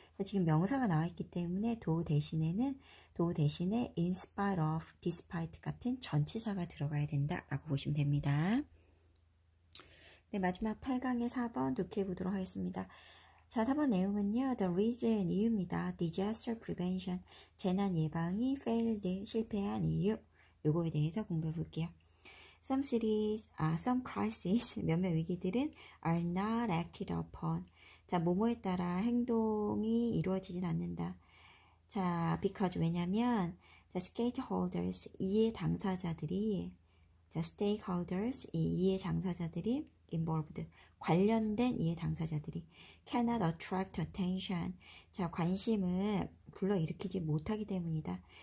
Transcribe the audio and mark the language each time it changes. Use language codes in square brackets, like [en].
[ko] 지금 명사가 나와 있기 때문에 do 대신에 [en] in spite of, despite [ko] 같은 전치사가 들어가야 된다라고 보시면 됩니다. 네, 마지막 8강의 4번 독해 보도록 하겠습니다. 자, 3번 내용은요. The reason, 이유입니다. [en] Disaster prevention, [ko] 재난 예방이 failed, 실패한 이유. 요거에 대해서 공부해 볼게요. Some cities, some crises, 몇몇 위기들은 are not acted upon. 자, 뭐뭐에 따라 행동이 이루어지진 않는다. 자, because, 왜냐면, [en] the stakeholders, [ko] 이해 당사자들이, the stakeholders, 이해 당사자들이, involved, 관련된 이해 당사자들이, [en] cannot attract attention, [ko] 자, 관심을 불러일으키지 못하기 때문이다.